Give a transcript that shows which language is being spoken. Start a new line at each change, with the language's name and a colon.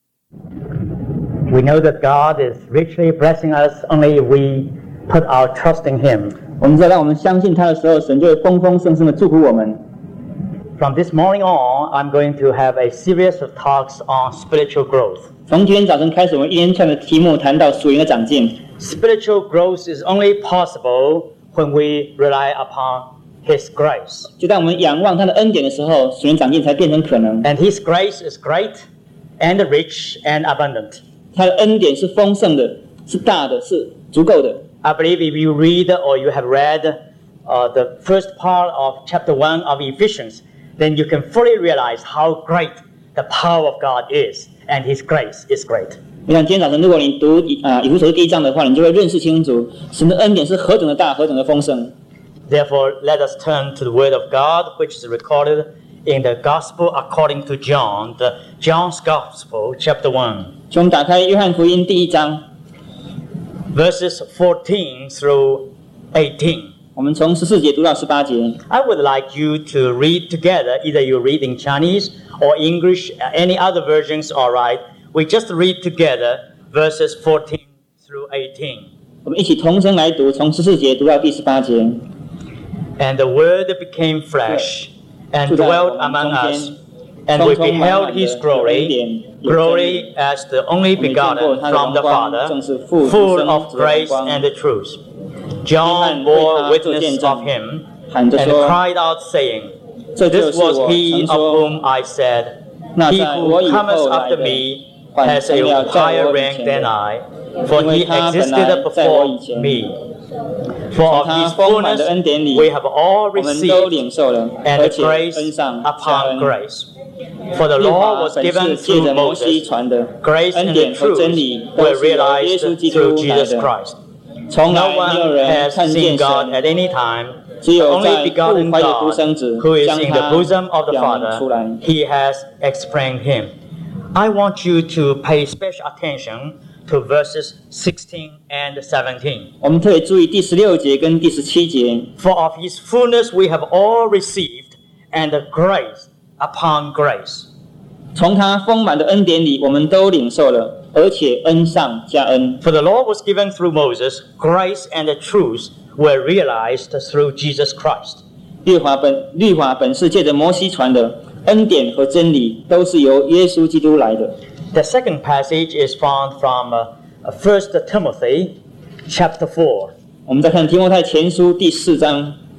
English: we know that God is richly blessing us only if we put our trust in Him.
Chinese: 我们在当我们相信他的时候，神就会丰丰盛盛的祝福我们。
English: From this morning on, I'm going to have a series of talks on spiritual growth.
Chinese: 从今天早晨开始，我们一连串的题目谈到属灵的长进。
English: Spiritual growth is only possible when we rely upon His grace.
Chinese: 就当我们仰望他的恩典的时候，属灵长进才变成可能。
English: And His grace is great and rich and abundant.
Chinese: 他的恩典是丰盛的，是大的，是足够的。
English: I believe if you read or you have read the first part of chapter 1 of Ephesians, then you can fully realize how great the power of God is and His grace is great.
Chinese: 我想今天早晨如果你读以弗所书第一章的话，你就会认识清楚神的恩典是何等的大，何等的丰盛。
English: Therefore, let us turn to the word of God, which is recorded in the gospel according to John, John's gospel, chapter 1.
Chinese: 请我们打开约翰福音第一章。
English: Verses 14 through 18.
Chinese: 我们从十四节读到十八节。
English: I would like you to read together, either you read in Chinese or English, any other versions, all right. We just read together verses 14 through 18.
Chinese: 我们一起同声来读，从十四节读到第十八节。
English: And the Word became flesh and dwelt among us, and we beheld His glory. Glory as the only begotten from the Father, full of grace and the truth. John bore witness of him and cried out, saying, This was he of whom I said, He who cometh after me has a higher rank than I, for he existed before me. For of his fullness we have all received, and grace upon grace. For the law was given through Moses, grace and truth were realized through Jesus Christ. No one has seen God at any time, the only begotten God who is in the bosom of the Father, He has explained Him. I want you to pay special attention to verses 16 and 17.
Chinese: 我们特别注意第十六节跟第十七节。
English: For of His fullness we have all received, and the graceUpon grace.
Chinese: 从他丰满的恩典里我们都领受了，而且恩上加恩。
English: For the law was given through Moses, grace and the truth were realized through Jesus Christ.
Chinese: 律法本是借着摩西传的，恩典和真理都是由耶稣基督来的。
English: The second passage is found from 1 Timothy chapter 4.
Chinese: 我们再看提摩太前书第四章。